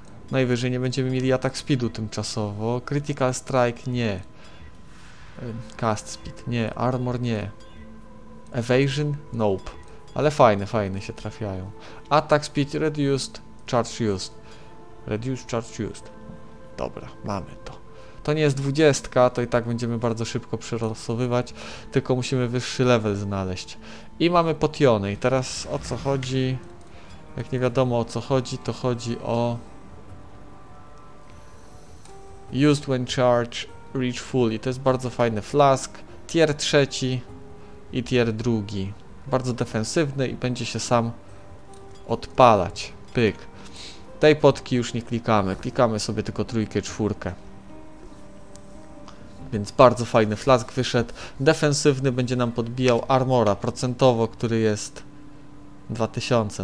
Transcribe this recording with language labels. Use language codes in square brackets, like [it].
[pl] Najwyżej nie będziemy mieli atak speedu tymczasowo. [en] Critical strike nie. Cast speed nie. Armor nie. Evasion? Nope. [pl] Ale fajne, fajne się trafiają. [en] Attack speed reduced, charge used. Reduced, charge used. [pl] Dobra, mamy to. To nie jest 20, to i tak będziemy bardzo szybko przerosowywać. Tylko musimy wyższy level znaleźć. I mamy potiony. I teraz o co chodzi? Jak nie wiadomo o co chodzi, to chodzi o... [en] Used when charged, reach fully. [pl] To jest bardzo fajny flask. Tier 3 i tier 2. Bardzo defensywny i będzie się sam odpalać. Pyk. Tej potki już nie klikamy. Klikamy sobie tylko 3, 4. więc bardzo fajny flask wyszedł. Defensywny będzie nam podbijał armora procentowo, który jest 2000.